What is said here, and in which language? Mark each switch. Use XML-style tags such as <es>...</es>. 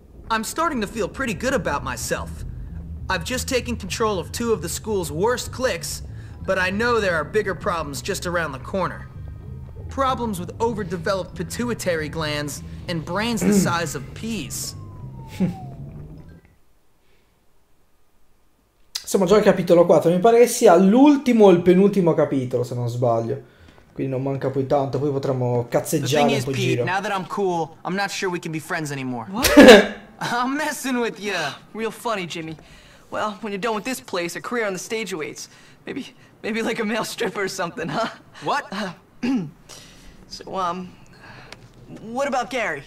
<en>I'm starting to feel pretty good about myself. I've just taken control of two of the school's worst cliques, but I know there are bigger problems just around the corner. Problems with overdeveloped pituitary glands and brains the size of peas.</en> <it>Insomma, già il capitolo 4, mi pare che sia l'ultimo o il penultimo capitolo, se non sbaglio. Quindi non manca poi tanto, poi potremmo cazzeggiare un po' in giro.</it> <en>Now that I'm cool, I'm not sure we can be friends anymore. What? I'm messing with you. Real funny, Jimmy. Well, when you're done with this place, a career on the stage awaits. Maybe like a male stripper or something, huh? What? So, what about Gary?</en>